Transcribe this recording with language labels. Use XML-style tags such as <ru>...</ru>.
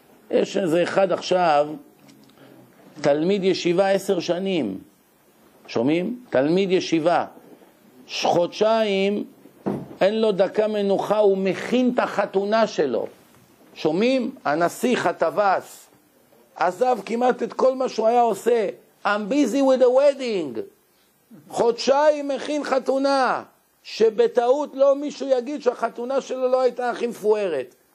<he>יש איזה אחד עכשיו, תלמיד ישיבה 10 שנים. שומעים? תלמיד ישיבה. חודשיים, אין לו דקה מנוחה, הוא מכין את החתונה שלו. שומעים? הנסיך, הטווס, עזב כמעט את כל מה שהוא היה עושה.</he> <en>I'm busy with the wedding.</en> <he>חודשיים מכין חתונה, שבטעות לא מישהו יגיד שהחתונה שלו לא הייתה הכי מפוארת.</he>